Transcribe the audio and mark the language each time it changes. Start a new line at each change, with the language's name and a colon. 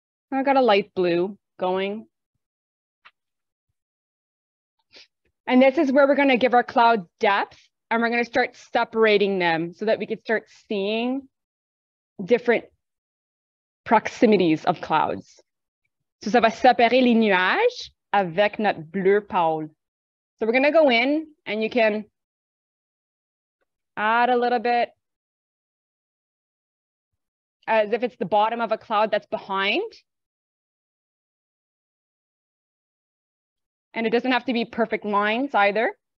English: I got a light blue going. And this is where we're going to give our cloud depth and we're going to start separating them so that we can start seeing different proximities of clouds.
French: So ça va séparer les nuages avec notre bleu pâle.
English: So we're going to go in and you can add a little bit as if it's the bottom of a cloud that's behind. And it doesn't have to be perfect lines either.